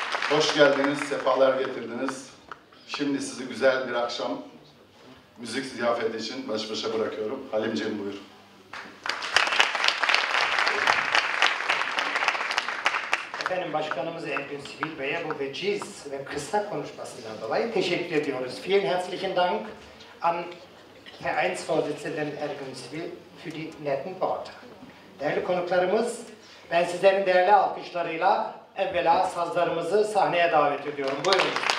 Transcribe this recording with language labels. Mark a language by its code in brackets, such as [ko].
[tr] Hoş geldiniz, sefalar getirdiniz. Şimdi sizi güzel bir akşam müzik ziyafeti için baş başa bırakıyorum. Halimciğim buyur. Efendim Başkanımız Ergün Sivil Bey'e bu veciz ve kısa konuşmasından dolayı teşekkür ediyoruz. [de] Vielen herzlichen Dank an Vereinsvorsitzenden Ergün Sivil für die netten Worte. [tr] Değerli konuklarımız, ben sizlerin değerli alkışlarıyla evvela sazlarımızı sahneye davet ediyorum. Buyurun.